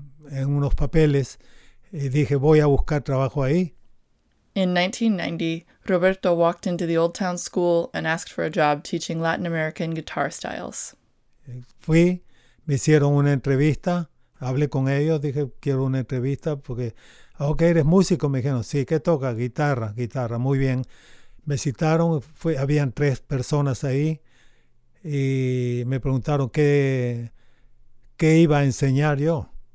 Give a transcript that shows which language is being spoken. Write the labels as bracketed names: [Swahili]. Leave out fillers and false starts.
[Spanish] en unos papeles y dije, voy a buscar trabajo ahí. [English] In 1990, Roberto walked into the Old Town School and asked for a job teaching Latin American guitar styles. [Spanish] Fui, me hicieron una entrevista, hablé con ellos, dije, quiero una entrevista porque, ok, eres músico, me dijeron, sí, ¿qué toca? Guitarra, guitarra, muy bien. Me citaron, habían tres personas ahí y me preguntaron qué iba a enseñar yo.